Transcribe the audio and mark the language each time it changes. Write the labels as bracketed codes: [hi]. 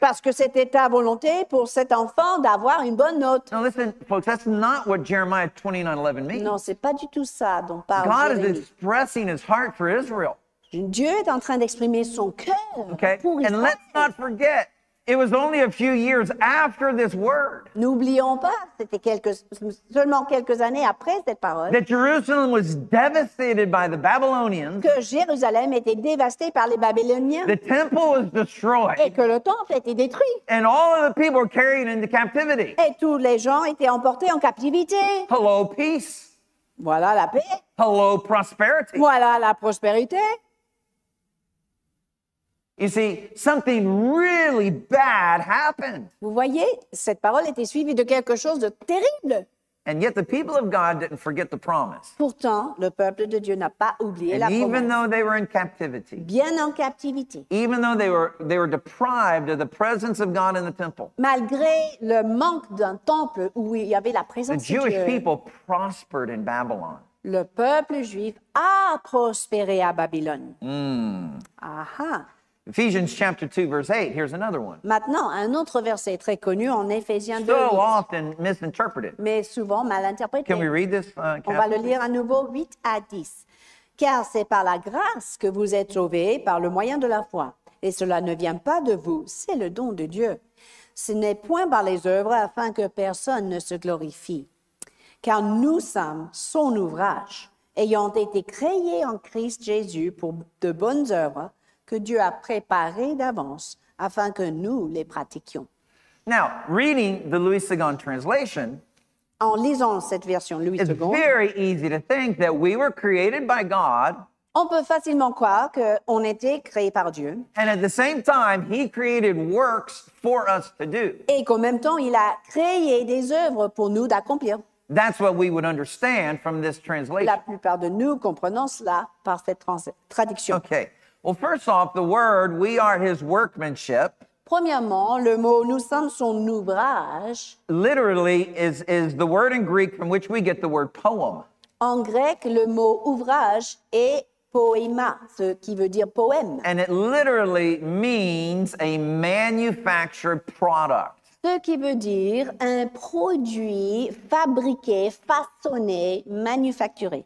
[fr] Parce que c'était ta volonté pour cet enfant d'avoir une bonne note. [en] Now listen, folks, that's not what Jeremiah 29:11 means. [fr] Non, c'est pas du tout ça dont parle [en] God [fr] Jérémie. [en] God is expressing his heart for Israel. [fr] Dieu est en train d'exprimer son cœur [en] okay. [fr] pour Israël. [en] And let's not forget. It was only a few years after this word. [fr] N'oublions pas, c'était seulement quelques années après cette parole. [en] That Jerusalem was devastated by the Babylonians. [fr] Que Jérusalem était dévastée par les Babyloniens. [en] The temple was destroyed. [fr] Et que le temple était détruit. [en] And all of the people were carried into captivity. [fr] Et tous les gens étaient emportés en captivité. [en] Hello, peace. [fr] Voilà la paix. [en] Hello, prosperity. [fr] Voilà la prospérité. [en] You see, something really bad happened. [fr] Vous voyez, cette parole était suivie de quelque chose de terrible. [en] And yet the people of God didn't forget the promise. [fr] Pourtant, le peuple de Dieu n'a pas oublié [en] and [fr] la [en] even promise. Even though they were in captivity. [fr] Bien en captivité. [en] Even though they were deprived of the presence of God in the temple. [fr] Malgré le manque d'un temple où il y avait la présence de Dieu. [en] The Jewish people prospered in Babylon. [fr] Le peuple juif a prospéré à Babylone. Aha. [en] Ephesians chapter 2 verse 8, here's another one. [fr] Maintenant, un autre verset très connu en Éphésiens 2. [en] So often misinterpreted. [fr] Mais souvent mal interprété. [en] Can we read this, [fr] On va le lire à nouveau, 8 à 10. Car c'est par la grâce que vous êtes sauvés par le moyen de la foi. Et cela ne vient pas de vous, c'est le don de Dieu. Ce n'est point par les œuvres afin que personne ne se glorifie. Car nous sommes son ouvrage, ayant été créés en Christ Jésus pour de bonnes œuvres, que Dieu a préparé d'avance afin que nous les pratiquions. [en] Now, reading the Louis II translation, [fr] en lisant cette version Louis II, [en] it's very easy to think that we were created by God. [fr] On peut facilement croire que on était créé par Dieu. [en] And at the same time, He created works for us to do. [fr] Et qu'en même temps, il a créé des œuvres pour nous d'accomplir. [en] That's what we would understand from this translation. [fr] La plupart de nous comprenons cela par cette traduction. [en] Okay. Well, first off, the word, we are his workmanship. [fr] Premièrement, le mot, nous sommes son ouvrage. [en] Literally is the word in Greek from which we get the word poem. [fr] En grec, le mot ouvrage est poema, ce qui veut dire poème. [en] And it literally means a manufactured product. [fr] Ce qui veut dire un produit fabriqué, façonné, manufacturé.